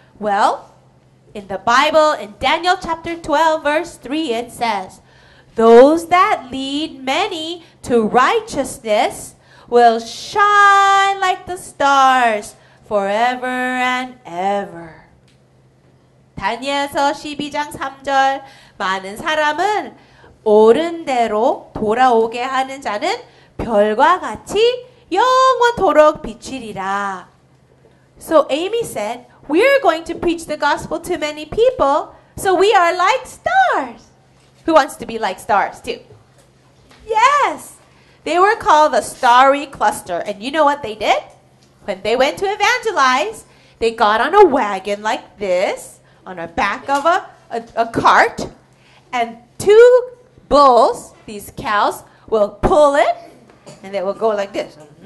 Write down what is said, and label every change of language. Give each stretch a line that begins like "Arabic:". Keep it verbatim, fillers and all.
English: Well, in the Bible, in Daniel chapter twelve, verse three, it says, those that lead many to righteousness will shine like the stars forever and ever.
Korean: 다니엘서 십이 장 삼 절, 많은 사람은 옳은 대로 돌아오게 하는 자는 별과 같이 영원토록 비치리라.
English: So Amy said, we are going to preach the gospel to many people, so we are like stars. Who wants to be like stars too? Yes. They were called the Starry Cluster. And you know what they did? When they went to evangelize, they got on a wagon like this, on a back of a, a, a cart, and two bulls, these cows, will pull it, and they will go like this.